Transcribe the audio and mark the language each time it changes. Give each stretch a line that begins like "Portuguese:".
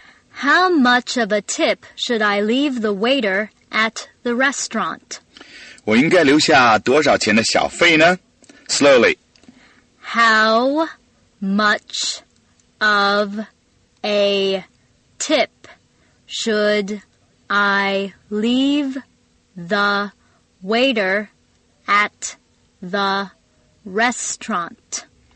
English: How much of a tip should I leave the waiter at the restaurant?
Chinese: 我应该留下多少钱的小费呢?
English: Slowly. How much of a tip should I leave the waiter at the restaurant?